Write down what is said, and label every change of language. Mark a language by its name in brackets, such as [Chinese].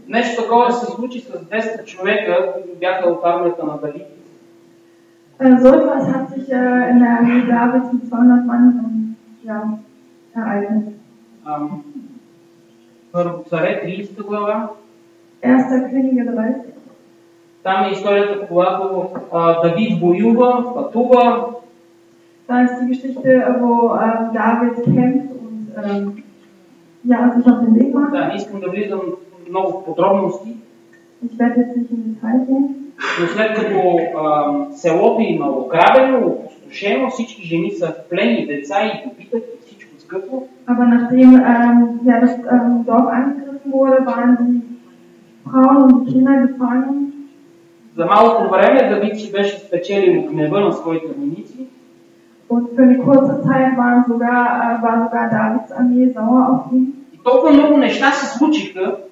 [Bulgarian] Нещо такова се случи с 200 човека, които бяха от армията на Давид. [German] So etwas hat sich in der Armee Davids mit 200 Mann ereignet. [Bulgarian] Първо царе, 30 глава. [German] Erste Könige 30. [Bulgarian] Там е историята, когато Давид воюва, пътува. [German] Da ist die Geschichte, wo David kämpft und sich auf den Weg macht. [Bulgarian] Да, не искам да влизам много в подробности. [German] Ich werde jetzt nicht in detail gehen. [Bulgarian] Но след като селото има ограбено, опустошено, всички жени са в плен, деца и добитък и всичко скъпо. [German] Aber nachdem das Dorf angegriffen wurde, waren die Frauen und die Kinder gefangen. [Bulgarian] За малко време Давид си беше спечелил гнева на своите войници. [German] Und für eine kurze Zeit war sogar Davids Armee sauer auf ihn. [Bulgarian] И толкова много неща се случиха.